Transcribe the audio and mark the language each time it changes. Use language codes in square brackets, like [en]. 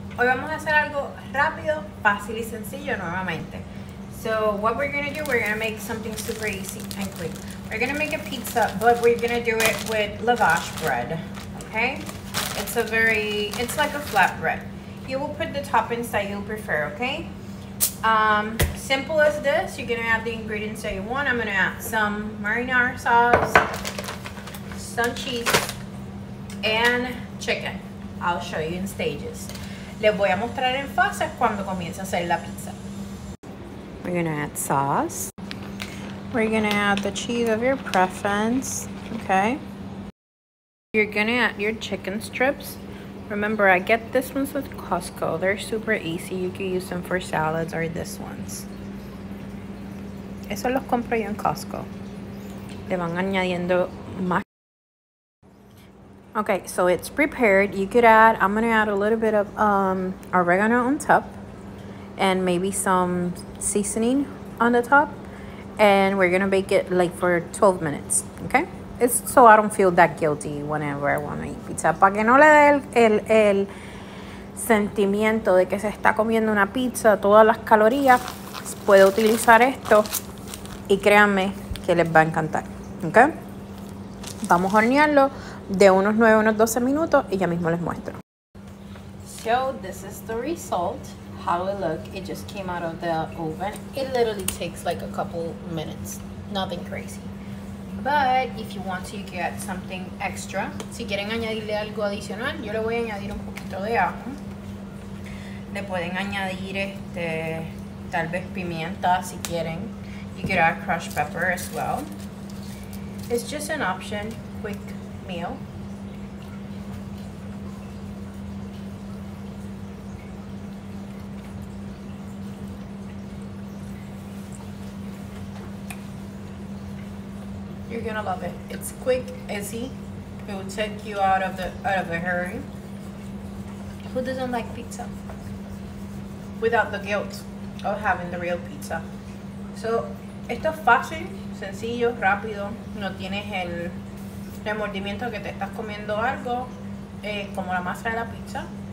[es] Hoy vamos a hacer algo rápido, fácil y sencillo nuevamente. [en] So what we're gonna do, we're gonna make something super easy and quick. We're gonna make a pizza, but we're gonna do it with lavash bread, okay? It's like a flat bread. You will put the toppings that you prefer, okay? Simple as this, you're gonna add the ingredients that you want. I'm gonna add some marinara sauce, some cheese, and chicken. I'll show you in stages. [es] Les voy a mostrar en fases cuando comience a hacer la pizza. [en] We're gonna add sauce. We're gonna add the cheese of your preference, okay? You're gonna add your chicken strips. Remember, I get these ones with Costco. They're super easy. You can use them for salads or these ones. [es] Eso los compro yo en Costco. Le van añadiendo más. [en] Okay, so it's prepared. You could add, I'm gonna add a little bit of oregano on top. And maybe some seasoning on the top, and we're gonna bake it like for 12 minutes, okay? It's so I don't feel that guilty whenever I wanna eat pizza. [es] Para que no le dé el sentimiento de que se está comiendo una pizza, todas las calorías, puedo utilizar esto y créanme que les va a encantar, okay? Vamos a hornearlo de unos 9, unos 12 minutos y ya mismo les muestro. [en] So this is the result. How it look, it just came out of the oven. It literally takes like a couple minutes, nothing crazy. But if you want to, you can add something extra. [es] Si quieren añadirle algo adicional, yo le voy a añadir un poquito de ajo. Le pueden añadir tal vez pimienta si quieren. [en] You could add crushed pepper as well. It's just an option, quick meal. You're gonna love it. It's quick, easy. It will take you out of a hurry. Who doesn't like pizza? Without the guilt of having the real pizza. [es] So, esto es fácil, sencillo, rápido. No tienes el remordimiento que te estás comiendo algo como la masa de la pizza.